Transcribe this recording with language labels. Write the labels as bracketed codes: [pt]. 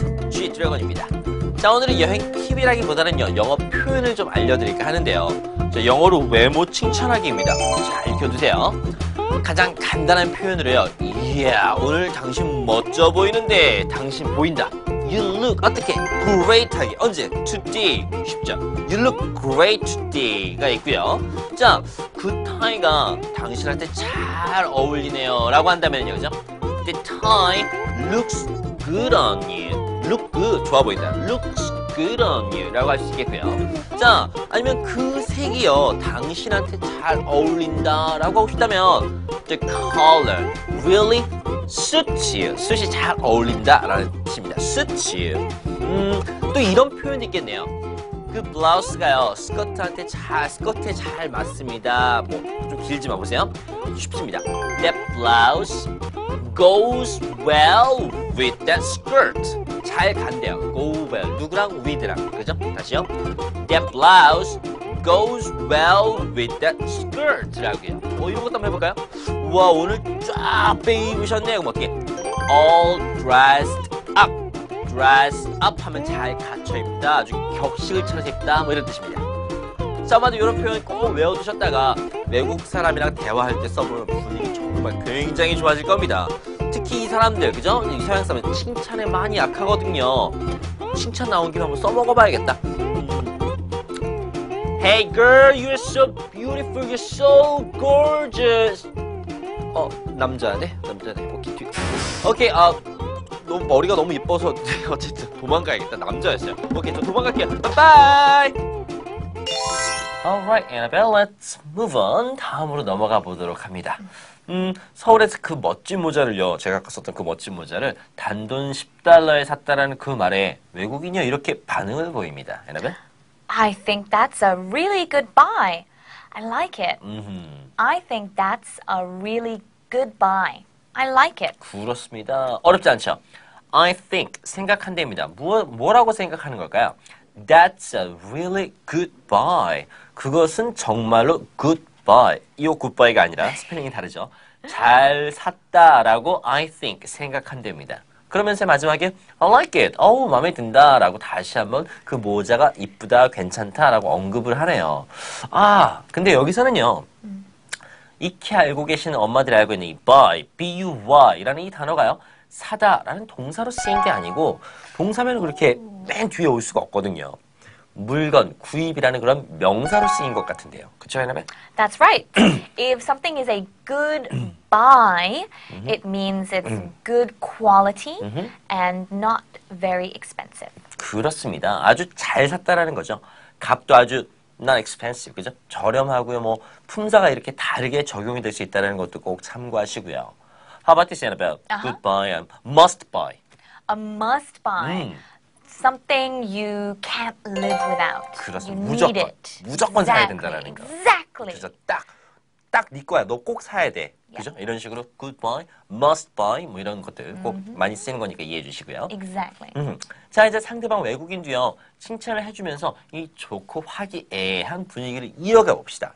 [ko] G-Dragon입니다. 자, 오늘은 여행 팁이라기보다는요, 영어 표현을 좀 알려드릴까 하는데요. 자, 영어로 외모 칭찬하기입니다. 잘 익혀두세요. 가장 간단한 표현으로요, Yeah, 오늘 당신 멋져 보이는데, 당신 보인다. [en] You look, [ko] 어떻게? Great 하기, 언제? Today, 쉽죠? [en] You look great today가 있고요. [ko] 자, 그 타이가 당신한테 잘 어울리네요 라고 한다면요, 그죠? [en] The tie looks good on you. Look good. [ko] 좋아 보인다. [en] Looks good on you. [ko] 라고 할 수 있겠고요. 자, 아니면 그 색이요. 당신한테 잘 어울린다. 라고 하고 싶다면 [en] The color really suits you. [ko] Suits이 잘 어울린다. 라는 뜻입니다. [en] Suits you. [ko] 또 이런 표현이 있겠네요. 그 블라우스가요. 스커트한테 잘, 스커트에 잘 맞습니다. 뭐, 좀 길지만 보세요. 쉽습니다. [en] That blouse goes well with that skirt. [ko] 잘 간대요. [en] Go well. [ko] 누구랑? With랑. 그죠? 다시요. [en] That blouse goes well with that skirt. [ko] 라고요. 뭐 이런 것도 한번 해볼까요? 와, 오늘 쫙 빼입으셨네. 고맙게. [en] All dressed up. [ko] Dressed up 하면 잘 갖춰입다. 아주 격식을 차려서 입다. 뭐 이런 뜻입니다. 자, 아마도 이런 표현 꼭 외워두셨다가 외국 사람이랑 대화할 때 써보면 분위기 정말 굉장히 좋아질 겁니다. 특히 이 사람들, 그죠? 이 서양 사람은 칭찬에 많이 약하거든요. 칭찬 나온 김에 한번 써먹어봐야겠다. [en] Hey girl, you're so beautiful, you're so gorgeous. [ko] 어, 남자네? 남자네. 오케이, 오케이, 아, 너무 머리가 너무 예뻐서 어쨌든 도망가야겠다. 남자였어요. 오케이, 저 도망갈게요. 바이바이! [en] Alright, Annabelle, let's move on. [ko] 다음으로 넘어가 보도록 합니다. 서울에서 그 멋진 모자를요, 제가 아까 썼던 그 멋진 모자를 단돈 $10에 샀다라는 그 말에 외국인이요, 이렇게 반응을 보입니다. [en] Annabelle? I think that's a really good buy. I like it. I think that's a really good buy. I like it. [ko] 그렇습니다. 어렵지 않죠? [en] I think, [ko] 생각한대입니다. 뭐라고 생각하는 걸까요? [en] That's a really good buy. [ko] 그것은 정말로 good buy. 이 good buy가 아니라 스펠링이 다르죠. 잘 샀다 라고 I think 생각한답니다. 그러면서 마지막에 [en] I like it. [ko] 어우, 마음에 든다 라고 다시 한번 그 모자가 이쁘다, 괜찮다 라고 언급을 하네요. 아, 근데 여기서는요. 익히 알고 계시는 엄마들이 알고 있는 이 buy, B-U-Y 라는 이 단어가요. 사다 라는 동사로 쓰인 게 아니고 동사면 그렇게 맨 뒤에 올 수가 없거든요. 물건 구입이라는 그런 명사로 쓰인 것 같은데요. 그렇죠, 여러분? [en] That's right. If something is a good buy, it means it's good quality and not very expensive. [ko] 그렇습니다. 아주 잘 샀다라는 거죠. 값도 아주 [en] not expensive, [ko] 그죠? 저렴하고요. 뭐 품사가 이렇게 다르게 적용이 될 수 있다는 것도 꼭 참고하시고요. [en] How about this, Annabelle? Good buy and must buy. A must buy. Something you can't live without. [ko] 그렇죠. [en] You [ko] 무조건, [en] need it. [ko] 무조건 사야 된다라는 거. [en] Exactly. [ko] 그래서 딱, 딱 네 거야. 너 꼭 사야 돼. 그죠? 이런 식으로 good buy, must buy 뭐 이런 것들 꼭 많이 쓰는 거니까 이해해 주시고요. [en] Exactly. [ko] 자, 이제 상대방 외국인도요. 칭찬을 해주면서 이 좋고 화기애애한 분위기를 이어가 봅시다.